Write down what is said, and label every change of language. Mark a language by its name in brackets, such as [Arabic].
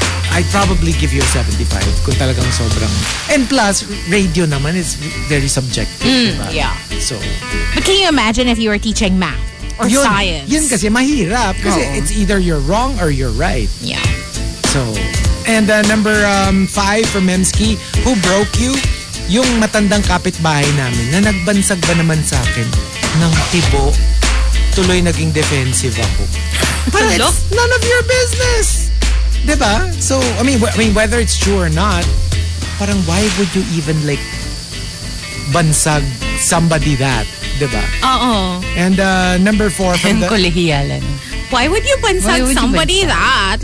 [English] I'd probably give you a 75 [Filipino] kung talagang sobrang... [English] And plus, radio naman is very subjective, diba? Yeah. So... But can you imagine if you were teaching math or [Filipino] yun, [English] science? [Filipino] Yun kasi mahirap. Kasi [English] it's either you're wrong or you're right. Yeah. So, And number five for Memski, who broke you? [Filipino] Yung matandang kapitbahay namin na nagbansag ba naman sa akin ng tibo, tuloy naging defensive ako. [English] But it's none of your business! Diba? So, I mean, whether it's true or not, parang why would you even like bansag somebody that? [Filipino] Diba? Oo. [English] And number four from the... [Filipino] Kolehiyalan. [English] Why would you bansag somebody that?